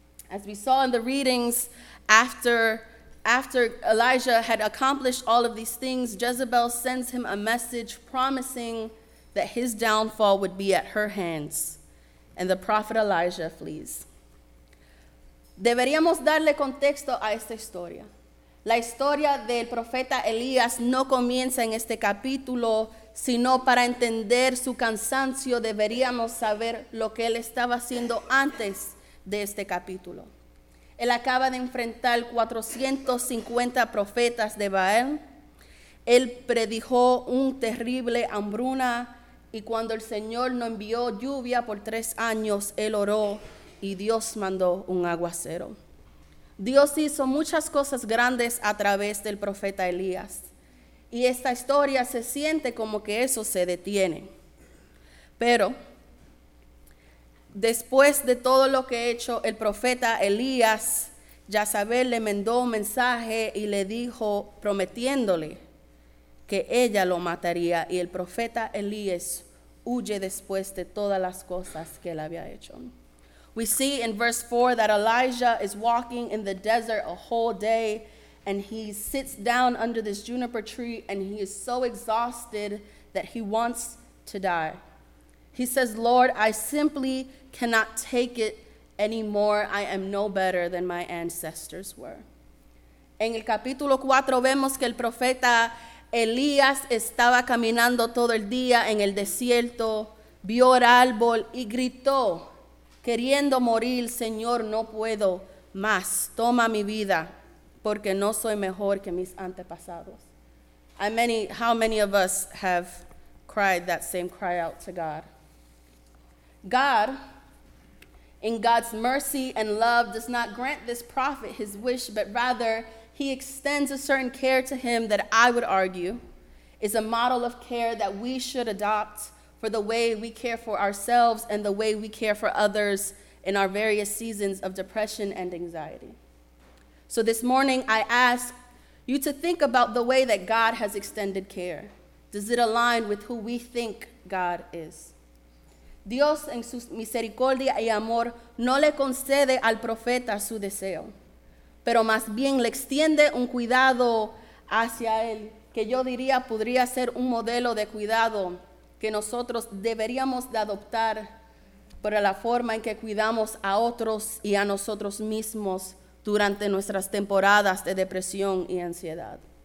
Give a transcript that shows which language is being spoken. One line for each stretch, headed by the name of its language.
English: As we saw in the readings, after Elijah had accomplished all of these things, Jezebel sends him a message promising that his downfall would be at her hands, and the prophet Elijah flees.
Spanish: Deberíamos darle contexto a esta historia. La historia del profeta Elías no comienza en este capítulo, sino para entender su cansancio, deberíamos saber lo que él estaba haciendo antes de este capítulo. Él acaba de enfrentar 450 profetas de Baal. Él predijo un terrible hambruna, y cuando el Señor no envió lluvia por 3 años, él oró y Dios mandó un aguacero. Dios hizo muchas cosas grandes a través del profeta Elías. Y esta historia se siente como que eso se detiene. Pero después de todo lo que ha hecho el profeta Elías, Jezabel le mandó un mensaje y le dijo, prometiéndole que ella lo mataría. Y el profeta Elías huye después de todas las cosas que él había hecho.
English: We see in verse 4 that Elijah is walking in the desert a whole day, and he sits down under this juniper tree, and he is so exhausted that he wants to die. He says, Lord, I simply cannot take it anymore. I am no better than my ancestors were.
Spanish: En el capítulo 4 vemos que el profeta Elías estaba caminando todo el día en el desierto, vio el árbol y gritó, queriendo morir, Señor, no puedo más. Toma mi vida, porque no soy mejor que mis antepasados.
English: How many of us have cried that same cry out to God? God, in God's mercy and love, does not grant this prophet his wish, but rather he extends a certain care to him that I would argue is a model of care that we should adopt for the way we care for ourselves and the way we care for others in our various seasons of depression and anxiety. So this morning, I ask you to think about the way that God has extended care. Does it align with who we think God is?
Spanish: Dios, en su misericordia y amor, no le concede al profeta su deseo, pero más bien le extiende un cuidado hacia él, que yo diría podría ser un modelo de cuidado que nosotros deberíamos de adoptar para la forma en que cuidamos a otros y a nosotros mismos durante nuestras temporadas de depresión y ansiedad.